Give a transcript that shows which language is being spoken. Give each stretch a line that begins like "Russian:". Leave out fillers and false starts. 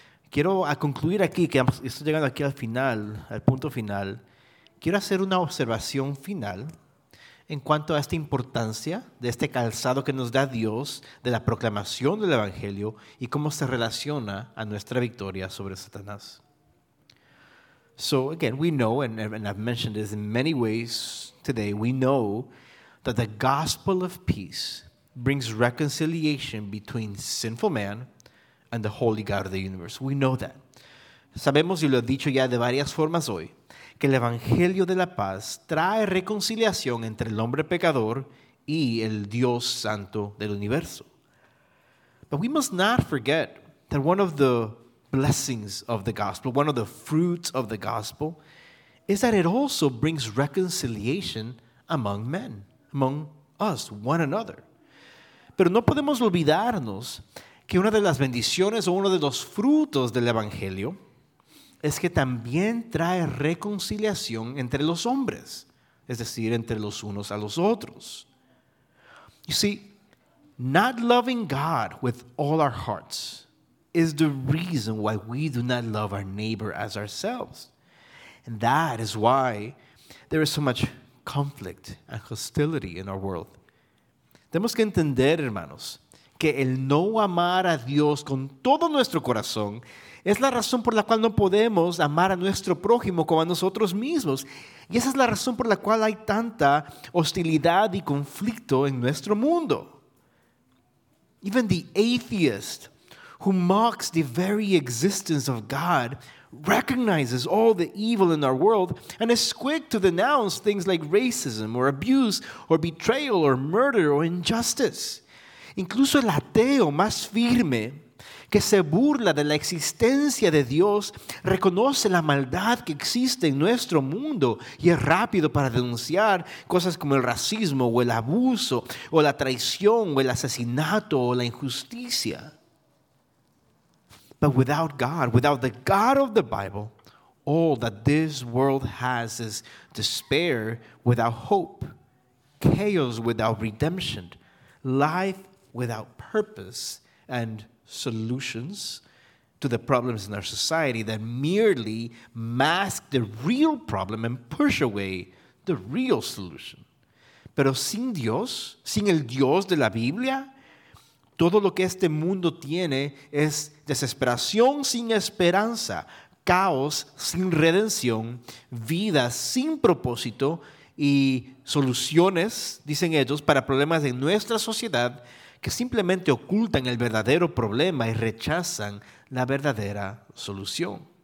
Spanish: Quiero a concluir aquí, que estoy llegando aquí al final, al punto final. Quiero hacer una observación final en cuanto a esta importancia de este calzado que nos da Dios de la proclamación del evangelio y cómo se relaciona a nuestra victoria sobre Satanás.
English: So again, we know, and I've mentioned this in many ways today, we know that the gospel of peace brings reconciliation between sinful man and the holy God of the universe. We know that.
Spanish: Sabemos, y lo he dicho ya de varias formas hoy, que el evangelio de la paz trae reconciliación entre el hombre pecador y el Dios santo del universo.
English: But we must not forget that one of the blessings of the gospel, one of the fruits of the gospel, is that it also brings reconciliation among men, among us, one another.
Spanish: Pero no podemos olvidarnos que una de las bendiciones o uno de los frutos del evangelio es que también trae reconciliación entre los hombres, es decir, entre los unos a los otros.
English: You see, not loving God with all our hearts is the reason why we do not love our neighbor as ourselves. And that is why there is so much conflict and hostility in our world.
Spanish: Tenemos que entender, hermanos, que el no amar a Dios con todo nuestro corazón es la razón por la cual no podemos amar a nuestro prójimo como a nosotros mismos. Y esa es la razón por la cual hay tanta hostilidad y conflicto en nuestro mundo.
English: Even the atheist who mocks the very existence of God recognizes all the evil in our world and is quick to denounce things like racism or abuse or betrayal or murder or injustice.
Spanish: Incluso el ateo más firme que se burla de la existencia de Dios reconoce la maldad que existe en nuestro mundo y es rápido para denunciar cosas como el racismo o el abuso o la traición o el asesinato o la injusticia.
English: But without God, without the God of the Bible, all that this world has is despair without hope, chaos without redemption, life without purpose, and solutions to the problems in our society that merely mask the real problem and push away the real solution.
Spanish: Pero sin Dios, sin el Dios de la Biblia, todo lo que este mundo tiene es desesperación sin esperanza, caos sin redención, vida sin propósito y soluciones, dicen ellos, para problemas de nuestra sociedad que simplemente ocultan el verdadero problema y rechazan la verdadera solución.